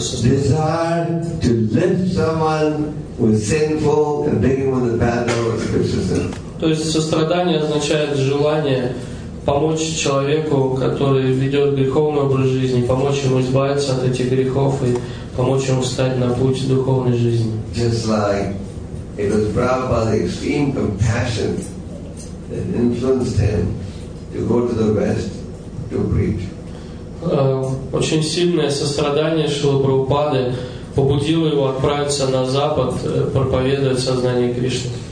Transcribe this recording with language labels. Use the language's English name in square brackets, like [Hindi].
[Russian] сострадание? То есть сострадание означает желание помочь человеку, который ведет греховный образ жизни, помочь ему избавиться от этих грехов и помочь ему встать на путь духовной жизни. [English] Just like it was Prabhupada's extreme compassion that influenced him to go to the West to preach. [Russian] Очень сильное сострадание Шрилы Прабхупады побудило его отправиться на Запад проповедовать сознание Кришны.